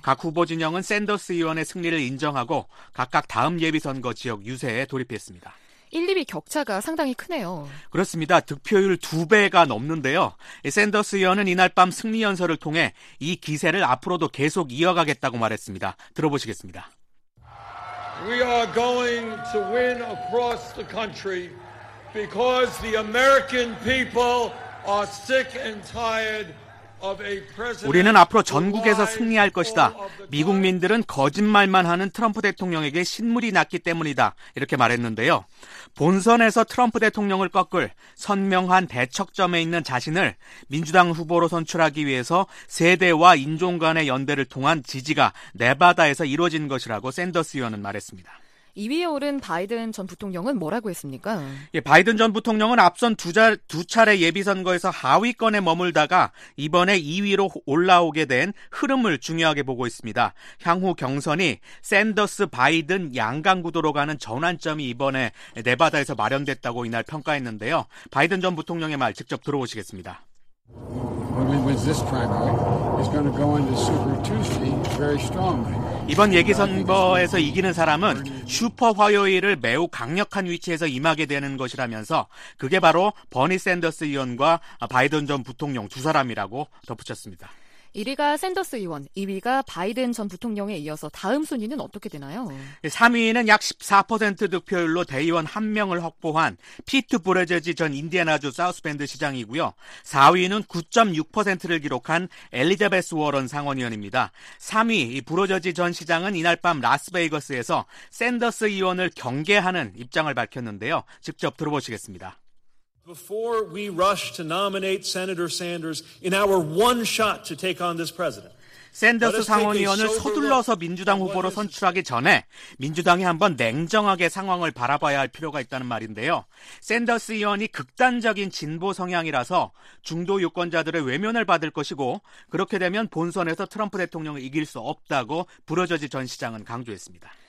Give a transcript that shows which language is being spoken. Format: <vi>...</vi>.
<ko>각 후보 진영은 샌더스 의원의 승리를 인정하고 각각 다음 예비선거 지역 유세에 돌입했습니다. 1, 2위 격차가 상당히 크네요. 그렇습니다. 득표율 2배가 넘는데요. 샌더스 의원은 이날 밤 승리 연설을 통해 이 기세를 앞으로도 계속 이어가겠다고 말했습니다. 들어보시겠습니다.</ko> <en>We are going to win across the country. Because the American people are sick and tired of a president.</en> <ko>우리는 앞으로 전국에서 승리할 것이다. 미국민들은 거짓말만 하는 트럼프 대통령에게 신물이 났기 때문이다. 이렇게 말했는데요. 본선에서 트럼프 대통령을 꺾을 선명한 대척점에 있는 자신을 민주당 후보로 선출하기 위해서 세대와 인종 간의 연대를 통한 지지가 네바다에서 이루어진 것이라고 샌더스 의원은 말했습니다. 2위에 오른 바이든 전 부통령은 뭐라고 했습니까? 예, 바이든 전 부통령은 앞선 두 차례 예비선거에서 하위권에 머물다가 이번에 2위로 올라오게 된 흐름을 중요하게 보고 있습니다. 향후 경선이 샌더스 바이든 양강 구도로 가는 전환점이 이번에 네바다에서 마련됐다고 이날 평가했는데요. 바이든 전 부통령의 말 직접 들어보시겠습니다.</ko> <en>When we win this primary, he's going to go into Super Tuesday very strongly.</en> <ko>이번 예비선거에서 이기는 사람은 슈퍼 화요일을 매우 강력한 위치에서 임하게 되는 것이라면서 그게 바로 버니 샌더스 의원과 바이든 전 부통령 두 사람이라고 덧붙였습니다. 1위가 샌더스 의원, 2위가 바이든 전 부통령에 이어서 다음 순위는 어떻게 되나요? 3위는 약 14% 득표율로 대의원 1명을 확보한 피트 부레제지 전 인디애나주 사우스밴드 시장이고요. 4위는 9.6%를 기록한 엘리자베스 워런 상원의원입니다. 3위 이 부레제지 전 시장은 이날 밤 라스베이거스에서 샌더스 의원을 경계하는 입장을 밝혔는데요. 직접 들어보시겠습니다.</ko> <en>Before we rush to nominate Senator Sanders in our one shot to take on this president.</en> <ko>샌더스 상원의원을 서둘러서 민주당 후보로 선출하기 전에 민주당이 한번 냉정하게 상황을 바라봐야 할 필요가 있다는 말인데요. 샌더스 의원이 극단적인 진보 성향이라서 중도 유권자들의 외면을 받을 것이고 그렇게 되면 본선에서 트럼프 대통령을 이길 수 없다고 부러져지 전 시장은 강조했습니다.</ko>